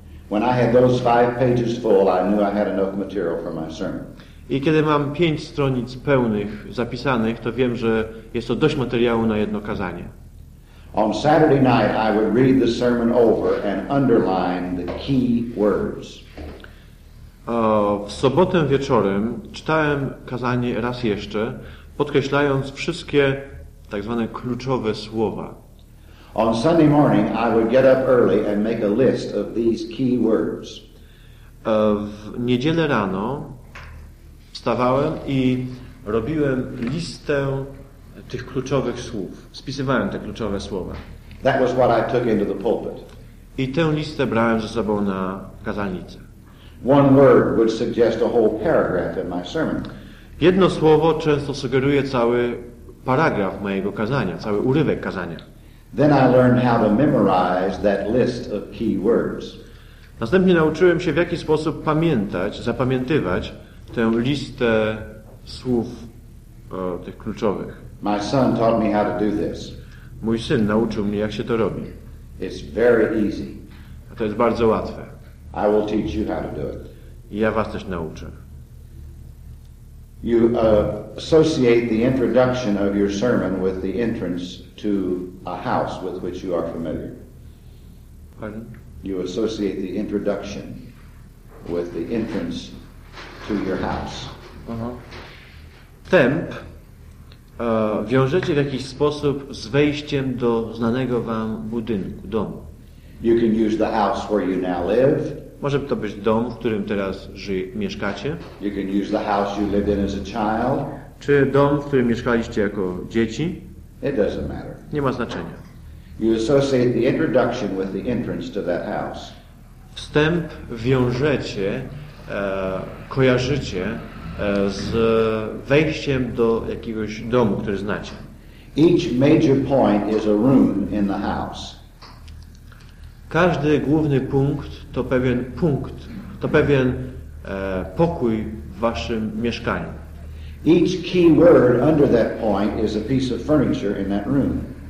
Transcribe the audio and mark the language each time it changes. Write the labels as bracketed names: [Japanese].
[English] When I had those 5 pages full, I knew I had enough material for my sermon. [Polish] I kiedy mam 5 stronic pełnych zapisanych, to wiem, że jest to dość materiału na jedno kazanie. [English] On Saturday night I would read the sermon over and underline the key words. [Polish] W sobotę wieczorem czytałem kazanie raz jeszcze, podkreślając wszystkie tak zwane kluczowe słowa. [English] On Sunday morning, I would get up early and make a list of these key words. [Polish] W niedzielę rano wstawałem i robiłem listę tych kluczowych słów. Spisywałem te kluczowe słowa. [English] That was what I took into the pulpit. [Polish] I tę listę brałem ze sobą na kazalnicę. [English] One word would suggest a whole paragraph in my sermon. [Polish] Jedno słowo często sugeruje cały paragraf mojego kazania, cały urywek kazania. [English] Then I learned how to memorize that list of key words. [Polish] Następnie nauczyłem się, w jaki sposób pamiętać, zapamiętywać tę listę słów tych kluczowych. [English] My son taught me how to do this. [Polish] Mój syn nauczył mnie, jak się to robi. [English] It's very easy. [Polish] A to jest bardzo łatwe. [English] I will teach you how to do it. [Polish] I ja was też nauczę. [English] You associate the introduction of your sermon with the entrance to a house with which you are familiar. Pardon? You associate the introduction with the entrance to your house. Uh-huh. [Polish] Temp wiążecie w jakiś sposób z wejściem do znanego wam budynku, domu. [English] You can use the house where you now live. [Polish] Może to być dom, w którym teraz mieszkacie. [English] You can use the house you lived in as a child. [Polish] Czy dom, w którym mieszkaliście jako dzieci. [English] It doesn't matter. [Polish] Nie ma znaczenia. [English] You associate the introduction with the entrance to that house. [Polish] Wstęp wiążecie, kojarzycie z wejściem do jakiegoś domu, który znacie. [English] Each major point is a room in the house. [Polish] Każdy główny punkt to pewien punkt, to pewien pokój w waszym mieszkaniu. [English] Each key word under that point is a piece of furniture in that room.